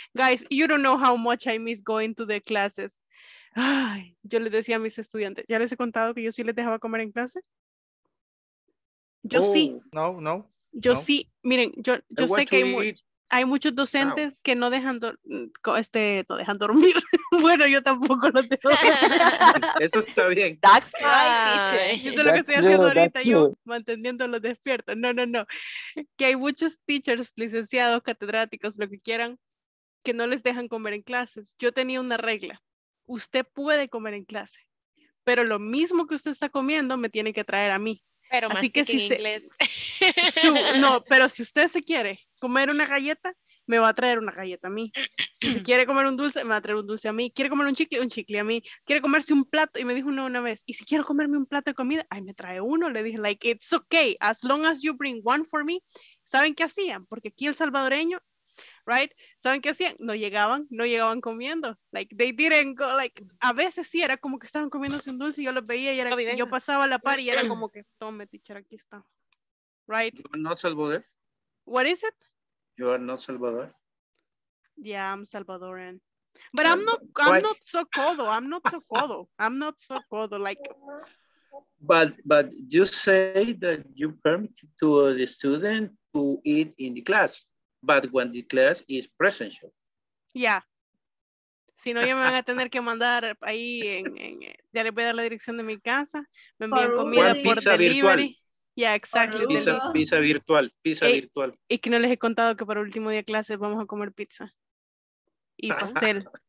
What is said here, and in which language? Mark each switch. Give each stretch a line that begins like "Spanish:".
English: Guys, you don't know how much I miss going to the classes.
Spanish: Ay, yo les decía a mis estudiantes. ¿Ya les he contado que yo sí les dejaba comer en clase? Yo oh, sí. No. Yo no. Sí. Miren, yo sé que hay muchos docentes
English: now.
Spanish: Que no dejan, no dejan dormir. Bueno, yo tampoco lo tengo. Eso está bien.
English: That's right, teacher.
Spanish: Eso es lo que estoy haciendo
English: you,
Spanish: ahorita, yo manteniéndolos despiertos. No. Que hay muchos
English: teachers,
Spanish: licenciados, catedráticos, lo que quieran, que no les dejan comer en clases. Yo tenía una regla. Usted puede comer en clase, pero lo mismo que usted está comiendo me tiene que traer a mí. Pero así más que si en usted, inglés. No, pero si usted se quiere comer una galleta, me va a traer una galleta a mí. Si quiere comer un dulce, me va a traer un dulce a mí. Quiere comer un chicle a mí. Quiere comerse un plato, y me dijo una vez, y si quiero comerme un plato de comida, ay, me trae uno. Le dije,
English: like, it's okay, as long as you bring one for me.
Spanish: ¿Saben qué hacían? Porque aquí el salvadoreño,
English: right?
Spanish: ¿Saben qué hacían? No llegaban comiendo.
English: Like, they didn't go, like,
Spanish: a veces sí, era como que estaban comiéndose un dulce, y yo los veía, y era que yo pasaba a la par, y era como que, tome, teacher, aquí está.
English: Right?
Spanish: No salvadoreño.
English: What is it? You are not Salvador. Yeah, I'm Salvadoran. But I'm not so codo. Like. But you say that you permit to the student to eat in the class, but when the class is presential. Yeah.
Spanish: Si no, ya me van a tener que mandar ahí en ya les voy a dar la dirección de mi casa. Me envían comida por pizza
English: delivery. Virtual. Yeah, exactly.
Spanish: Pizza virtual. Y que no les he contado que para el último día de clases vamos a comer pizza. Y pastel.